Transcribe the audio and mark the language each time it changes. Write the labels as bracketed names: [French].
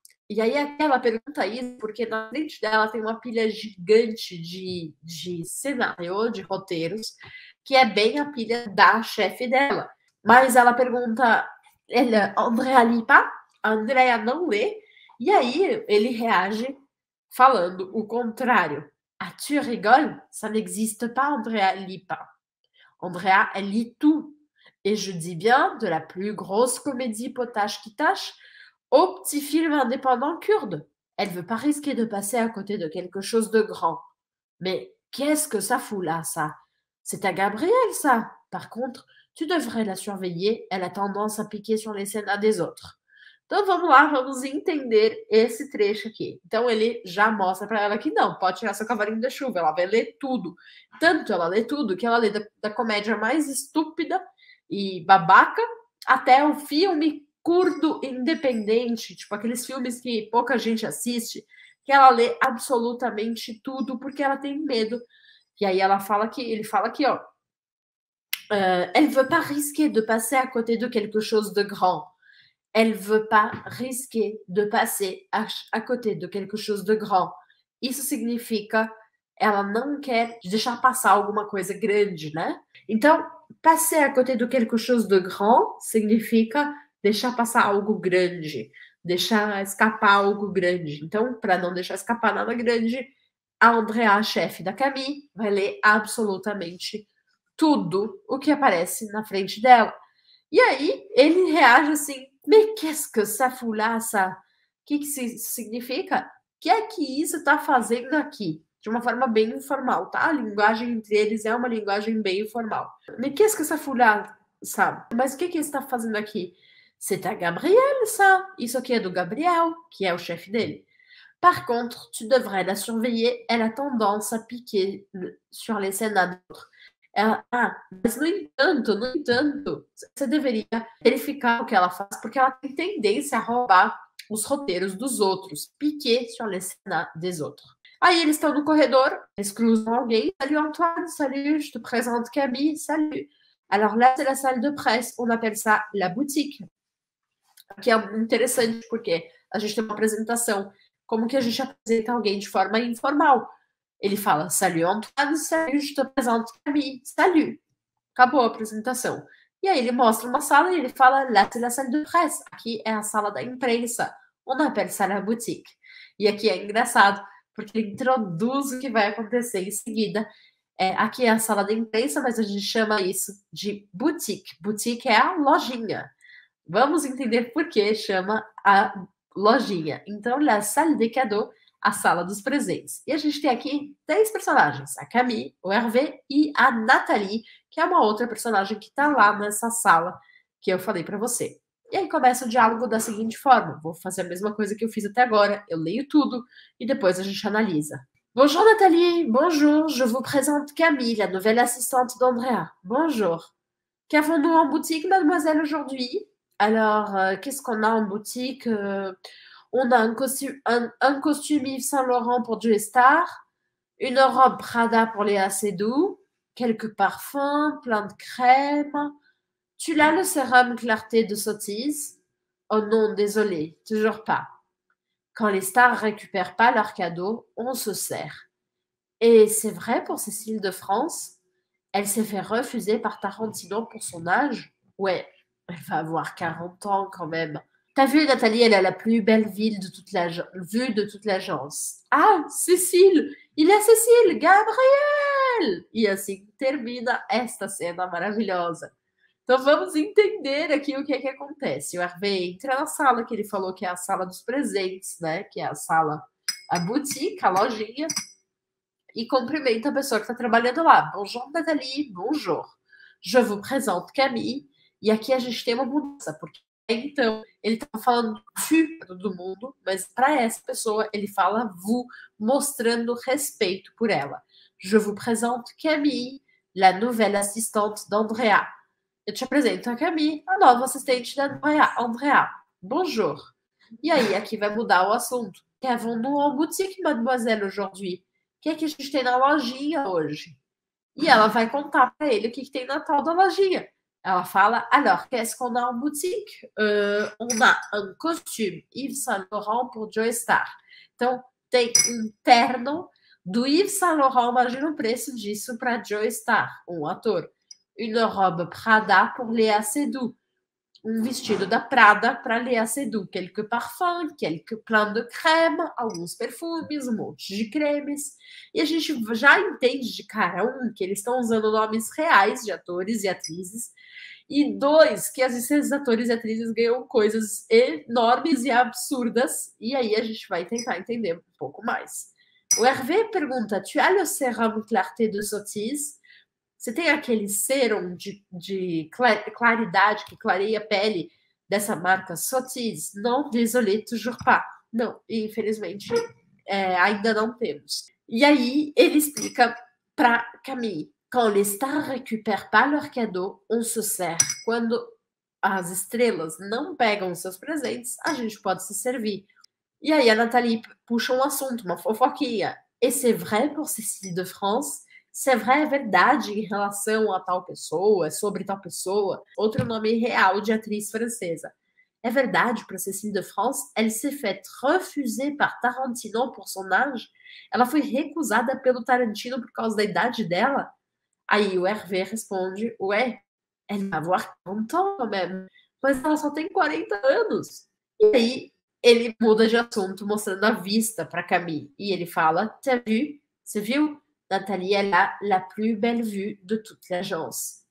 [Portuguese] E aí ela pergunta isso porque na frente dela tem uma pilha gigante de cenário, de roteiros, que é bem a pilha da chefe dela. Mas ela pergunta, ele, Andrea Lipa? Andrea não lê. E aí ele reage falando o contrário. [French] As-tu rigoles? Ça n'existe pas, Andrea Lipa. Andrea, elle lit tout. Et je dis bien de la plus grosse comédie potache qui tâche au petit film indépendant kurde. Elle veut pas risquer de passer à côté de quelque chose de grand. Mais qu'est-ce que ça fout là, ça? C'est à Gabrielle, ça. Par contre, tu devrais la surveiller. Elle a tendance à piquer sur les scènes à des autres. [Portuguese] Então vamos lá, vamos entender esse trecho aqui. Então ele já mostra para ela que não, pode tirar seu cavalinho da chuva, ela vai ler tudo. Tanto ela lê tudo que ela lê da comédia mais estúpida e babaca até o filme curdo independente, tipo aqueles filmes que pouca gente assiste, que ela lê absolutamente tudo porque ela tem medo. E aí ela fala que ele fala aqui, ó. [French] Elle veut pas risquer de passer à côté de quelque chose de grand. Elle veut pas risquer de passer à côté de quelque chose de grand. [Portuguese] Isso significa ela não quer deixar passar alguma coisa grande, né? Então, [French] passer à côté de quelque chose de grand [Portuguese] significa deixar passar algo grande, deixar escapar algo grande. Então, para não deixar escapar nada grande, a Andrea, a chefe da Camille, vai ler absolutamente tudo o que aparece na frente dela. E aí, ele reage assim. [French] Me qu'est-ce que ça fout là, ça? [Portuguese] Que isso significa? Que é que isso está fazendo aqui? De uma forma bem informal, tá? A linguagem entre eles é uma linguagem bem informal. [French] Me qu'est-ce que ça fout là, ça? [Portuguese] Mas o que que isso está fazendo aqui? [French] C'est à Gabriel, ça? [Portuguese] Isso aqui é do Gabriel, que é o chefe dele. [French] Par contre, tu devrais la surveiller, elle a tendance à piquer sur les scènes à d'autres. [Portuguese] Mas no entanto, você deveria verificar o que ela faz, porque ela tem tendência a roubar os roteiros dos outros. [French] Piquer sur les scènes des autres. [Portuguese] Aí eles estão no corredor, eles cruzam alguém. [French] Salut Antoine, salut, je te présente Camille, salut. Alors là, c'est la salle de presse, on appelle ça la boutique. [Portuguese] Aqui é interessante, porque a gente tem uma apresentação. Como que a gente apresenta alguém de forma informal? Ele fala, [French] salut Antoine, salut, je te présente Camille, salut. [Portuguese] Acabou a apresentação. E aí ele mostra uma sala e ele fala, [French] là c'est la salle de presse. [Portuguese] Aqui é a sala da imprensa. [French] On appelle ça la boutique. [Portuguese] E aqui é engraçado, porque ele introduz o que vai acontecer em seguida. Aqui é a sala da imprensa, mas a gente chama isso de boutique. Boutique é a lojinha. Vamos entender por que chama a lojinha. Então, [French] la salle de cadeaux. [Portuguese] A sala dos presentes. E a gente tem aqui três personagens: a Camille, o Hervé e a Nathalie, que é uma outra personagem que está lá nessa sala que eu falei para você. E aí começa o diálogo da seguinte forma: vou fazer a mesma coisa que eu fiz até agora, eu leio tudo e depois a gente analisa. [French] Bonjour Nathalie, bonjour, je vous présente Camille, la nouvelle assistante d'Andrea. Bonjour. Qu'avons-nous en boutique, mademoiselle, aujourd'hui? Alors, qu'est-ce qu'on a en boutique? On a un costume Yves Saint Laurent pour Joy Star, une robe Prada pour Léa Seydoux, quelques parfums, plein de crème. Tu l'as le sérum clarté de Sotheby's? Oh non, désolé, toujours pas. Quand les stars récupèrent pas leurs cadeaux, on se sert. Et c'est vrai pour Cécile de France, elle s'est fait refuser par Tarantino pour son âge. Ouais, elle va avoir 40 ans quand même. T'as vu, Nathalie, elle a la plus belle ville de toute la vue de toute l'agence. Ah, Cécile! Il y a Cécile! Gabriel! [Portuguese] E assim termina esta cena maravilhosa. Então vamos entender aqui o que é que acontece. O Hervé entra na sala que ele falou que é a sala dos presentes, né? Que é a sala, a boutique, a lojinha. E cumprimenta a pessoa que está trabalhando lá. [French] Bonjour, Nathalie. Bonjour. Je vous présente Camille. [Portuguese] E aqui a gente tem uma mudança, porque então, ele estava falando tu para todo mundo, mas para essa pessoa ele fala vous, mostrando respeito por ela. [French] Je vous présente Camille, la nouvelle assistante d'Andrea. [Portuguese] Eu te apresento a Camille, a nova assistente da Andrea. Bonjour. E aí, aqui vai mudar o assunto. [French] Qu'avons-nous en boutique, mademoiselle, aujourd'hui? [Portuguese] O que é que a gente tem na lojinha hoje? E ela vai contar para ele o que que tem na tal da lojinha. Ela fala, [French] alors, qu'est-ce qu'on a en boutique? On a un costume Yves Saint Laurent pour Joy Star. [Portuguese] Então, tem um terno do Yves Saint Laurent, imagina o preço disso para Joy Star, um ator. [French] Une robe Prada pour Léa Seydoux. [Portuguese] Um vestido da Prada para Léa Seydoux. [French] Quelques parfums, plein de crème, [Portuguese] alguns perfumes, um monte de cremes. E a gente já entende de cara, que eles estão usando nomes reais de atores e atrizes. E dois, que esses atores e atrizes ganham coisas enormes e absurdas. E aí a gente vai tentar entender um pouco mais. O Hervé pergunta: [French] Tu as le sérum clarté de sottise? [Portuguese] Você tem aquele sérum de claridade que clareia a pele dessa marca sottise? Não, [French] désolé, toujours pas. [Portuguese] Não, infelizmente, ainda não temos. E aí ele explica para Camille. [French] Quand les stars récupèrent pas leurs cadeaux, on se sert. [Portuguese] Quando as estrelas não pegam os seus presentes, a gente pode se servir. E aí a Nathalie puxa um assunto, uma fofoquinha. [French] Et c'est vrai pour Cécile de France? C'est vrai, [Portuguese] é verdade em relação a tal pessoa, sobre tal pessoa. Outro nome real de atriz francesa. É verdade para Cécile de France? [French] Elle s'est faite refuser par Tarantino pour son âge? [Portuguese] Ela foi recusada pelo Tarantino por causa da idade dela? Aí o Hervé responde: Ué, [French] elle va avoir 40 ans quand même, [Portuguese] mas ela só tem 40 anos. E aí ele muda de assunto, mostrando a vista para Camille. E ele fala: [French] T'as vu? [Portuguese] Você viu? [French] Nathalie est là, la plus belle vue de toute l'agence.